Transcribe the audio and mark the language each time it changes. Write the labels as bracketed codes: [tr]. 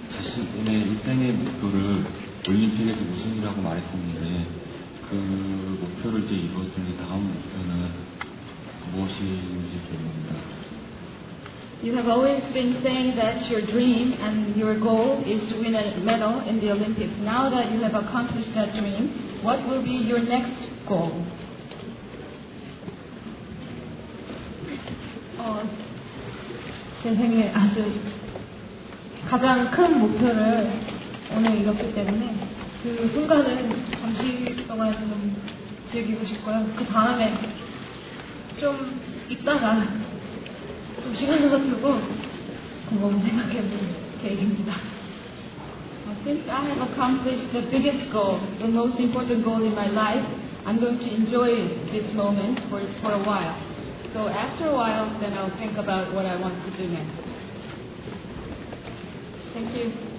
[ko] 자신의 일생의 목표를 올림픽에서 우승이라고 말했었는데 그 목표를 이제 이뤘으니 다음 목표는 무엇인지 궁금합니다. [en] You have always been saying that your dream and your goal is to win a medal in the Olympics. Now that you have accomplished that dream, what will be your next goal? [ko] 제 생에 아주 가장 큰 목표를 오늘 이뤘기 때문에 그 순간은 잠시 동안 좀 즐기고 싶고요. 그 다음에 좀 있다가 좀 시간을 두고 그거만 생각해 볼 계획입니다. [en] I think I have accomplished the biggest goal, the most important goal in my life. I'm going to enjoy this moment for a while. So after a while, then I'll think about what I want to do next. Thank you.